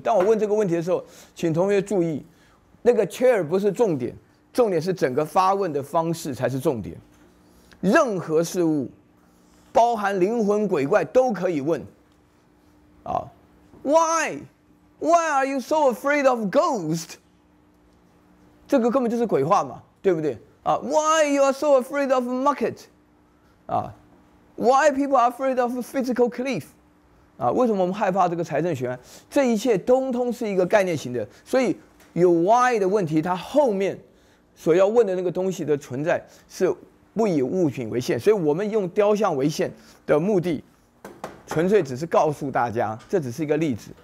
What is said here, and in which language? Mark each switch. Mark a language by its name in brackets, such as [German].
[Chinese] 当我问这个问题的时候，请同学注意。那个 chair 不是重点，重点是整个发问的方式才是重点。任何事物，包含灵魂鬼怪都可以问。 [English] 啊 ，Why are you so afraid of ghosts？ [Chinese] 这个根本就是鬼话嘛，对不对？ [English] 啊 ，Why you are so afraid of market？ 啊 ，Why people are afraid of physical cliff？ [Chinese] 啊，为什么我们害怕这个财政学案？这一切通通是一个概念型的，所以。有 why 的问题，它后面所要问的那个东西的存在是不以物品为限，所以我们用雕像为限的目的，纯粹只是告诉大家，这只是一个例子。